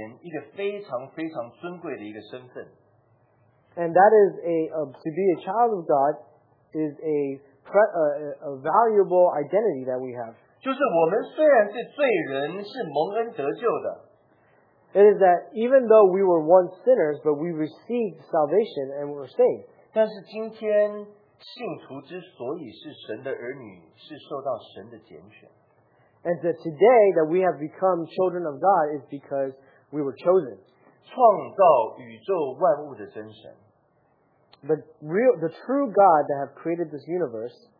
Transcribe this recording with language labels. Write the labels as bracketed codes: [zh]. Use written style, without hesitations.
[zh] 弟兄姐妹，这是一个我们在神的面前一个非常非常尊贵的一个身份。 [en] And that is to be a child of God is a valuable identity that we have. [zh] 就是我们虽然是罪人，是蒙恩得救的。 [en] It is that even though we were once sinners, but we received salvation and we were saved. [zh] 但是今天信徒之所以是神的儿女，是受到神的拣选。 [en] And that today that we have become children of God is because we were chosen. [zh] 创造宇宙万物的真神。 [en] The true God that have created this universe